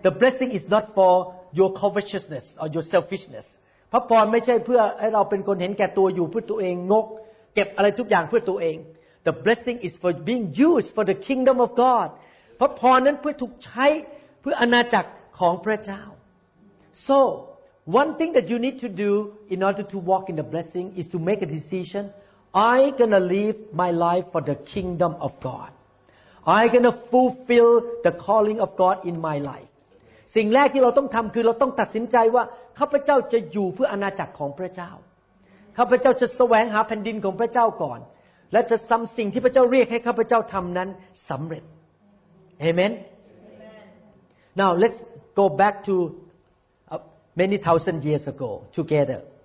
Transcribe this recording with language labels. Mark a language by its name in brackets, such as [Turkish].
[English] The blessing is not for your covetousness or your selfishness [Thai] พระพรไม่ใช่เพื่อให้เราเป็นคนเห็นแก่ตัวอยู่เพื่อตัวเองงกเก็บอะไรทุกอย่างเพื่อตัวเอง [English] The blessing is for being used for the kingdom of God [Thai] พระพรนั้นเพื่อถูกใช้เพื่ออาณาจักรของพระเจ้า [English] So one thing that you need to do in order to walk in the blessing is to make a decision I'm going to live my life for the kingdom of God. I'm going to fulfill the calling of God in my life. [Thai] สิ่งแรกที่เราต้องทำคือเราต้องตัดสินใจว่าข้าพเจ้าจะอยู่เพื่ออาณาจักรของพระเจ้าข้าพเจ้าจะแสวงหาแผ่นดินของพระเจ้าก่อนและจะทำสิ่งที่พระเจ้าเรียกให้ข้าพเจ้าทำนั้นสำเร็จเอเมน [English] Now let's go back to many thousand years ago together